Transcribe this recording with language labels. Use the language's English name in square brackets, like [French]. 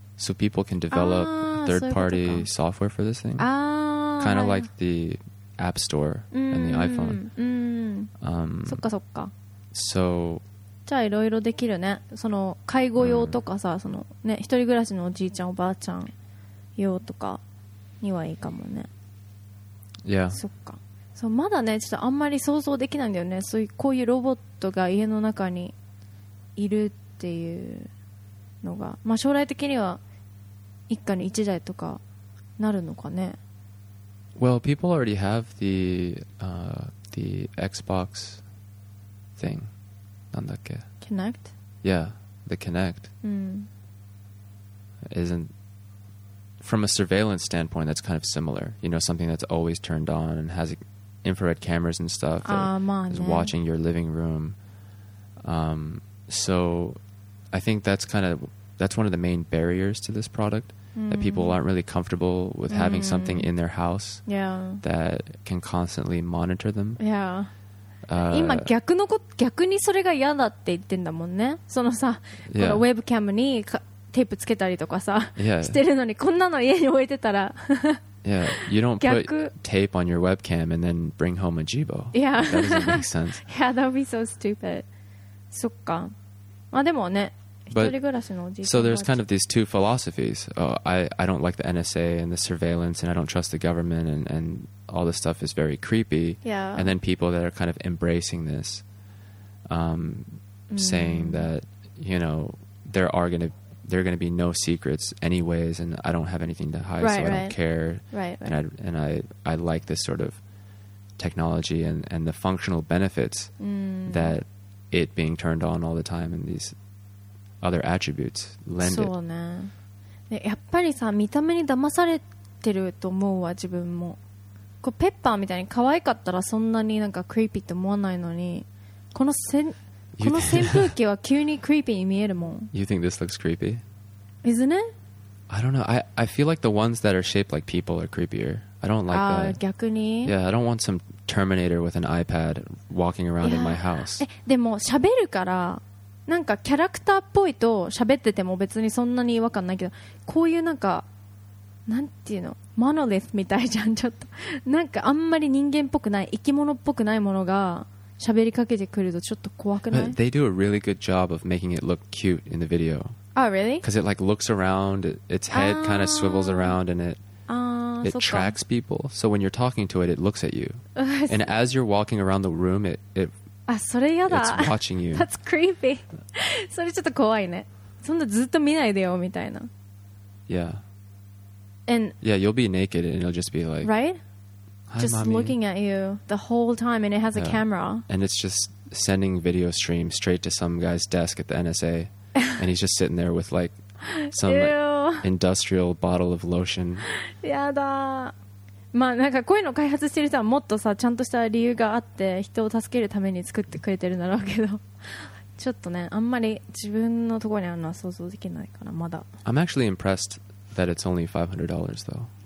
[English] So people can develop third-party software for this thing. Kind of like the App Store and the iPhone. [Japanese] そっかそっか。 [English] So... [Japanese] じゃあいろいろできるね。その介護用とかさ、そのね、一人暮らしのおじいちゃんおばあちゃん用とかにはいいかもね。いや。そっか。そう、まだね、ちょっとあんまり想像できないんだよね。そういうこういうロボットが家の中にいるっていうのが、まあ将来的には一家に一台とかなるのかね。 [English] Well, people already have the the Xbox thing. [Japanese] なんだっけ? [English] Kinect? Yeah, the Kinect. Isn't... From a surveillance standpoint, that's kind of similar. You know, something that's always turned on and has infrared cameras and stuff. Is watching your living room. So, I think that's kind of... That's one of the main barriers to this product. Mm-hmm. That people aren't really comfortable with having something in their house. Yeah. That can constantly monitor them. Yeah. [Japanese] 今逆のこ逆にそれが嫌だって言ってんだもんね。そのさ、 [English] yeah. [Japanese] このウェブキャムにテープつけたりとかさ、 [English] yeah. [Japanese] してるのにこんなの家に置いてたら、 [English] yeah. You don't put tape on your webcam and then bring home a Jibo. Yeah. That doesn't make sense. Yeah, that would be so stupid. [Japanese] そっか。まあでもね、 [English] But, [Japanese] 一人暮らしのおじいさん。 [English] So there's kind of these two philosophies. Oh, I don't like the NSA and the surveillance, and I don't trust the government and all this stuff is very creepy. Yeah. And then people that are kind of embracing this, saying that, you know, there are going to be no secrets anyways, and I don't have anything to hide, right, I don't care. Right, right. And I like this sort of technology and the functional benefits that it being turned on all the time and these other attributes lend it. [Japanese] そうね。で、やっぱりさ、見た目に騙されてると思うわ、自分も。こうペッパーみたいに可愛かったらそんなになんかクリーピーって思わないのにこの扇風機は急にクリーピーに見えるもん。 [English] You think this looks creepy? Isn't it? I don't know. I feel like the ones that are shaped like people are creepier. I don't like that. [Japanese] 逆に? [English] Yeah, I don't want some Terminator with an iPad walking around in my house. [Japanese] でも喋るからなんかキャラクターっぽいと喋ってても別にそんなに違和感ないけどこういうなんかなんていうのモノリスみたいじゃんちょっとなんかあんまり人間っぽくない生き物っぽくないものが喋りかけてくるとちょっと怖くない [English] But they do a really good job of making it look cute in the video Oh, really? Because it like looks around, its head kind of swivels around, and it tracks people. So when you're talking to it, it looks at you. And as you're walking around the room, it's watching you. That's creepy. [Japanese] それちょっと怖いね。そんなずっと見ないでよみたいな。 [English] Yeah. And yeah, you'll be naked and it'll just be like, right? Hi, just mommy. Looking at you the whole time, and it has a camera. And it's just sending video stream straight to some guy's desk at the NSA. And he's just sitting there with like some industrial bottle of lotion. [Japanese] やだ。まあなんかこういうの開発してる人はもっとさちゃんとした理由があって人を助けるために作ってくれてるんだろうけど、ちょっとねあんまり自分のところにあるのは想像できないからまだ。 [English] I'm actually impressed that it's only $500 though.